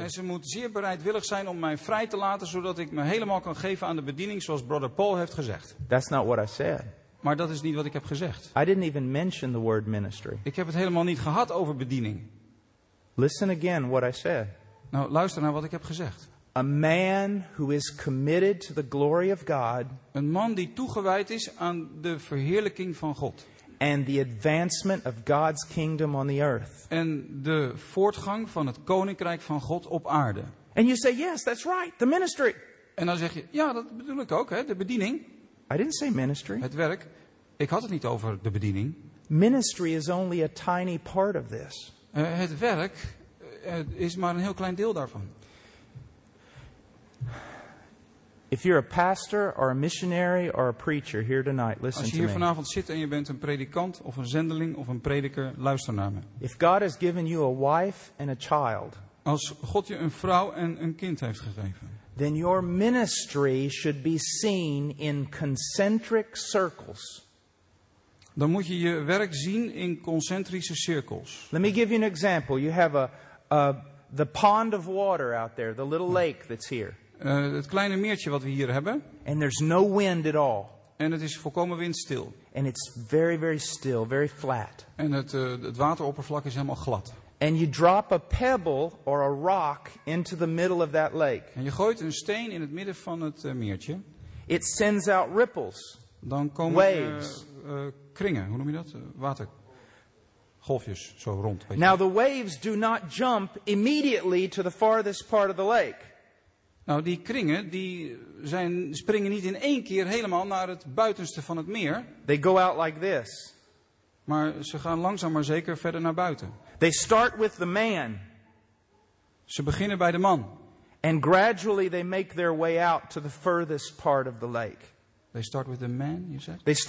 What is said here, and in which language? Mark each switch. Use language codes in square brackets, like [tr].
[nl] En ze moet zeer bereidwillig zijn om mij vrij te laten zodat ik me helemaal kan geven aan de bediening zoals brother Paul heeft gezegd. [en] That's not what I said. [nl] Maar dat is niet wat ik heb gezegd. [en] I didn't even mention the word ministry. [nl] Ik heb het helemaal niet gehad over bediening. [en] Listen again what I said. [nl] Nou, luister naar wat ik heb gezegd. [en] A man who is committed to the glory of God. [nl] Een man die toegewijd is aan de verheerlijking van God. [en] And the advancement of God's kingdom on the earth. [nl] En de voortgang van het koninkrijk van God op aarde. [en] And you say yes, that's right, the ministry. [nl] En dan zeg je, ja, dat bedoel ik ook, hè, de bediening. [en] I didn't say ministry. [nl] Het werk. Ik had het niet over de bediening. [en] Ministry is only a tiny part of this. [nl] Het werk is maar een heel klein deel daarvan. [en] If you're a pastor or a missionary or a preacher here tonight, listen to me. [nl] Als je hier vanavond zit en je bent een predikant of een zendeling of een prediker, luister naar me. [en] If God has given you a wife and a child, [nl] als God je een vrouw en een kind heeft gegeven, [en] then your ministry should be seen in concentric circles. [nl] Dan moet je je werk zien in concentrische cirkels. [en] Let me give you an example. You have the pond of water out there, the little lake that's here. [nl] Het kleine meertje wat we hier hebben. [en] And there's no wind at all. [nl] En het is volkomen windstil. [en] And it's very, very still, very flat. [nl] En het wateroppervlak is helemaal glad. [en] And you drop a pebble or a rock into the middle of that lake. [nl] En je gooit een steen in het midden van het meertje. [en] It sends out ripples. [nl] Dan komen [en] waves. [nl] Kringen. Hoe noem je dat? Water. Golfjes zo rond. [en] Now the waves do not jump immediately to the farthest part of the lake. [nl] Nou, die kringen, die springen niet in één keer helemaal naar het buitenste van het meer. [en] They go out like this. [nl] Maar ze gaan langzaam maar zeker verder naar buiten. [en] They start with the man. [nl] Ze beginnen bij de man. [en] And gradually they make their way out to the furthest part of the lake. They start with the man, you said?